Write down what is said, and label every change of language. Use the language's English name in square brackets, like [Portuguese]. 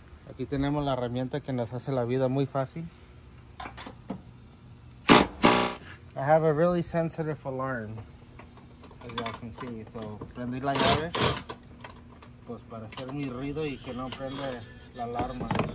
[Spanish] Aquí tenemos la herramienta que nos hace la vida muy fácil. [English] I have a really sensitive alarm, as y'all can see. [Spanish] So, prendí la llave, pues para hacer mi ruido y que no prenda la alarma.